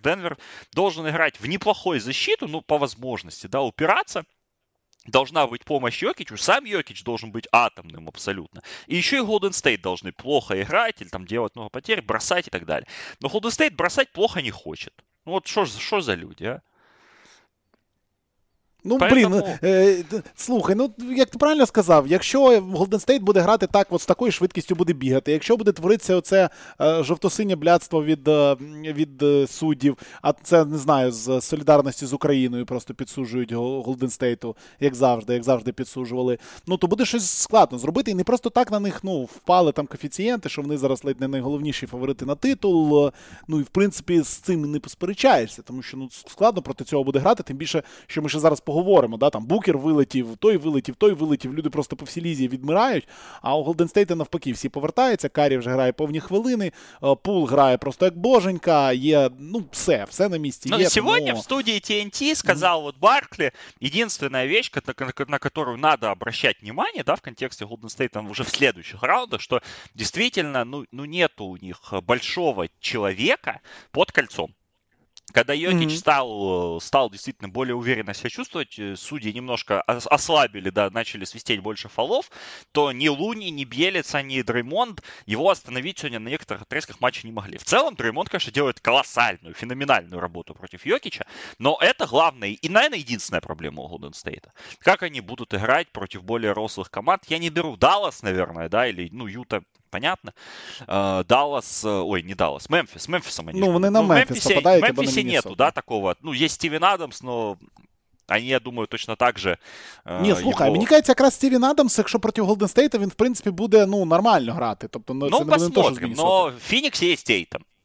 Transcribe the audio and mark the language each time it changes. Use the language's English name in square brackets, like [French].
[Russian] Денвер должен играть в неплохой защиту, ну, по возможности, да, упираться. Должна быть помощь Йокичу, сам Йокич должен быть атомным абсолютно. И еще и Golden State должны плохо играть или там делать много потерь, бросать и так далее. Но Golden State бросать плохо не хочет. Ну, вот что за люди, а? Ну, поэтому... [Ukrainian] блін, слухай, ну, як ти правильно сказав, якщо Golden State буде грати так, от з такою швидкістю буде бігати, якщо буде творитися оце жовто-синє блядство від суддів, а це, не знаю, з солідарності з Україною просто підсуджують Golden State, як завжди підсуджували, ну, то буде щось складно зробити, і не просто так на них, ну, впали там коефіцієнти, що вони зараз ледь не найголовніші фаворити на титул, ну, і, в принципі, з цим не посперечаєшся, тому що, ну, складно проти цього буде грати, тим більше, що ми ще зараз поговоримо, да, там Букер вилетів, той вилетів, люди просто по всій лізі відмирають, а у Golden State навпаки, всі повертаються, Карі вже грає повні хвилини, Пул грає просто як боженька, є, ну, все на місці. Ну, сьогодні в студії TNT сказав, mm-hmm, от Барклі, єдинствена річ, на яку треба [Russian] обращати внимание, [Ukrainian] да, в контексті Golden State там вже [Russian] в следующих раундах, [Ukrainian] що дійсно, ну, нету у них большого чоловіка під кольцом. [Russian] Когда Йокич стал действительно более уверенно себя чувствовать, судьи немножко ослабили, да, начали свистеть больше фолов, то ни Луни, ни Бьелица, ни Дреймонд его остановить сегодня на некоторых отрезках матча не могли. В целом, Дреймонд, конечно, делает колоссальную, феноменальную работу против Йокича, но это главная и, наверное, единственная проблема у Golden State. Как они будут играть против более рослых команд? Я не беру Даллас, наверное, да, или, ну, Юта, понятно. Даллас, ой, не Даллас, Мемфис. Мемфисом они. Ну, же, вы на Мемфис попадаете. В Мемфисе нету, да, такого. Ну, есть Стивен Адамс, но они, я думаю, точно так же. [Ukrainian] Ні, слухай, мені кажется, якраз Стівен Адамс, якщо проти Голден Стейта, він, в принципі, буде, ну, нормально грати. Тобто, [Russian] ну, посмотрим, но Фінікс є Стейтом.